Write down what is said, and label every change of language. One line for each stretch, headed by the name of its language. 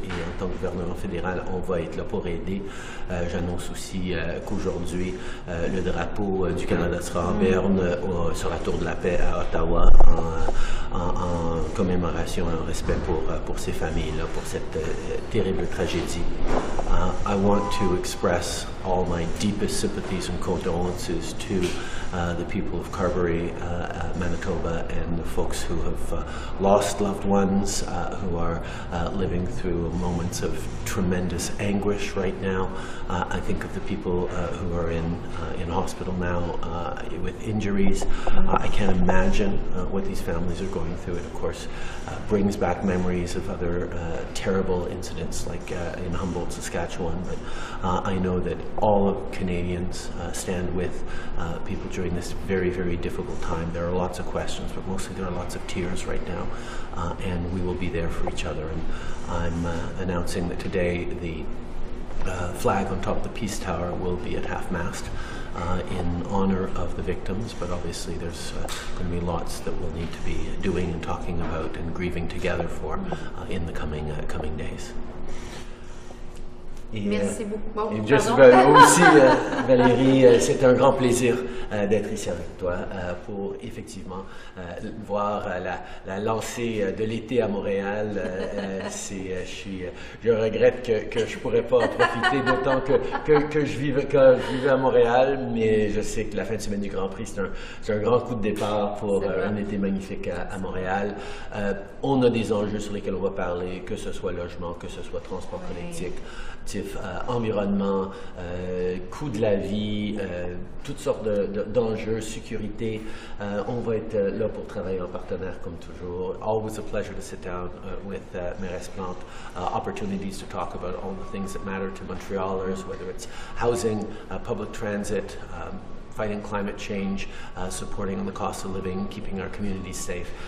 French: Et en tant que gouvernement fédéral, on va être là pour aider. J'annonce aussi qu'aujourd'hui, le drapeau du Canada sera en berne sur la Tour de la Paix à Ottawa en commémoration et en respect pour ces familles-là, pour cette terrible tragédie.
English: I want to express all my deepest sympathies and condolences to the people of Carberry, Manitoba, and the folks who have lost loved ones, who are living through moments of tremendous anguish right now. I think of the people who are in hospital now with injuries. I can't imagine what these families are going through. It, of course, brings back memories of other terrible incidents like in Humboldt, Saskatchewan. But I know that all of Canadians stand with people during this very, very difficult time. There are lots of questions, but mostly there are lots of tears right now. And we will be there for each other. And I'm announcing that today the flag on top of the Peace Tower will be at half-mast in honor of the victims, but obviously there's going to be lots that we'll need to be doing and talking about and grieving together for in the coming days.
French: Et, merci beaucoup. Et aussi, Valérie, c'est un grand plaisir d'être ici avec toi pour effectivement voir la lancée de l'été à Montréal. Je regrette que je ne pourrais pas en profiter d'autant que je vive à Montréal, mais je sais que la fin de semaine du Grand Prix, c'est un grand coup de départ pour un été magnifique à Montréal. On a des enjeux sur lesquels on va parler, que ce soit logement, que ce soit transport collectif. Environnement, coût de la vie, toutes sortes d'enjeux, sécurité. On va être là pour travailler en partenaire comme toujours.
English: Always a pleasure to sit down with Mairesse Plante. Opportunities to talk about all the things that matter to Montrealers, whether it's housing, public transit, fighting climate change, supporting the cost of living, keeping our communities safe.